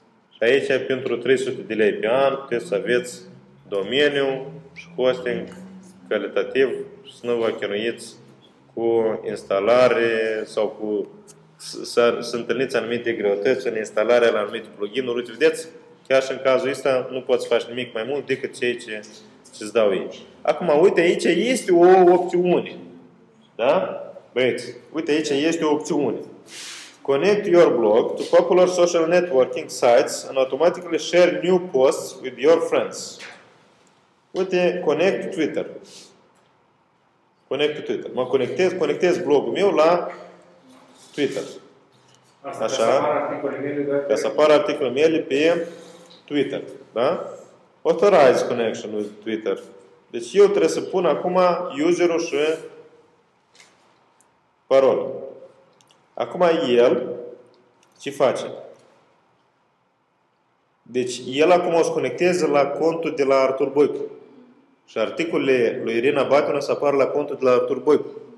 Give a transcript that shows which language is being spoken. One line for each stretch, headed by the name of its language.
Romanian: Și aici, pentru 300 de lei pe an, trebuie să aveți domeniu și hosting calitativ și nu vă chinuiți cu instalare sau cu să întâlniți anumite greutăți în instalarea la anumite plugin-uri. Uite, vedeți? Chiar și în cazul ăsta nu poți să faci nimic mai mult decât ceea ce îți dau ei. Acum, uite, aici este o opțiune. Da? Băieți, uite, aici este o opțiune.
English: Connect your blog to popular social networking sites and automatically share new posts with your friends.
Romanian: Uite,
English: connect to Twitter. Connect to Twitter.
Romanian: Mă conectez blogul meu la Twitter. Asta așa. Ca să apară articolul meu pe Twitter. Da?
English: Authorize connection with Twitter.
Romanian: Deci eu trebuie să pun acum userul și parolă. Acum el ce face? Deci el acum o să conecteze la contul de la Artur Boicu. Și articolele lui Irina Batiună să apară la contul de la Artur Boicu.